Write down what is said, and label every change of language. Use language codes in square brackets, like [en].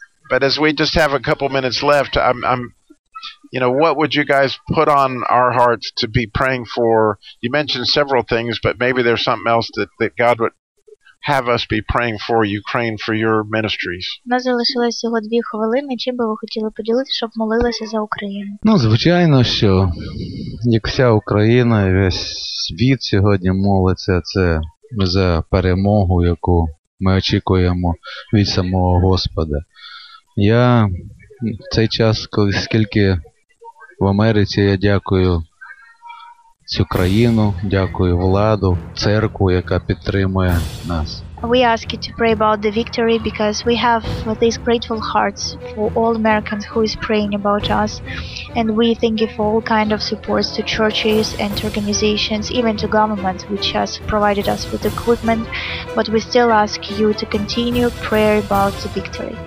[en] But as we just have a couple minutes left, I'm you know, what would you guys put on our hearts to be praying for? You mentioned several things, but maybe there's something else that God would have us be praying for Ukraine, for your ministries. [uk] У нас залишилось всього 2 хвилини. Чим би ви хотіли поділитися, щоб молилися за Україну? Ну, звичайно, що як вся Україна, весь світ сьогодні молиться, це за перемогу, яку ми очікуємо від самого Господа. Я в цей час, коли скільки в Америці, я дякую цю країну, дякую владу, церкву, яка підтримує нас. [en] We ask you to pray about the victory because we have these grateful hearts for all Americans who is praying about us. And we thank you for all kind of supports to churches and to organizations, even to government, which has provided us with equipment. But we still ask you to continue prayer about the victory.